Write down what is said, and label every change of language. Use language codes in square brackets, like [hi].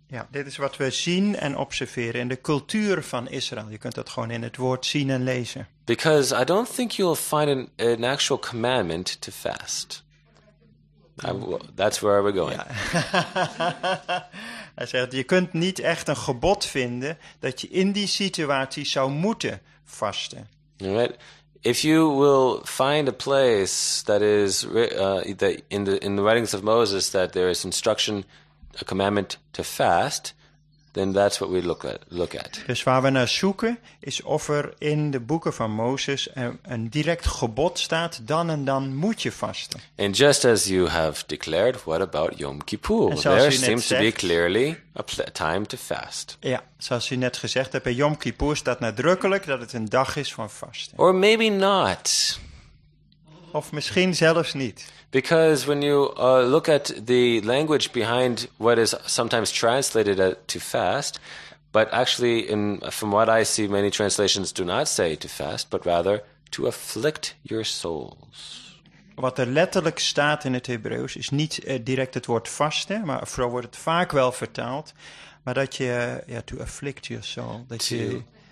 [nl] Dit is wat we zien en observeren in de cultuur van Israël. Je kunt dat gewoon in het woord zien en lezen. [en] Because I don't think you'll find an actual commandment to fast. That's where we're going. Ja. [nl] Hij zegt, je kunt niet echt een gebod vinden dat je in die situatie zou moeten vasten. [en] Right. If you will find a place that is that in the writings of Moses that there is instruction, a commandment to fast, then that's what we look at. [nl] Dus waar we naar zoeken is of er in de boeken van Mozes een direct gebod staat, dan en dan moet je vasten. [en] And just as you have declared, what about Yom Kippur? There seems to be clearly a time to fast. [nl] Ja, zoals u net gezegd hebt, bij Yom Kippur staat nadrukkelijk dat het een dag is van vasten. [en] Or maybe not. [nl] Of misschien zelfs niet. [en] Because when you look at the language behind what is sometimes translated to fast, but actually from what I see, many translations do not say to fast, but rather to afflict your souls. [nl] Wat er letterlijk staat in het Hebreeuws is niet direct het woord vasten, maar vooral wordt het vaak wel vertaald, maar dat je [en] to afflict your soul, [nl] dat je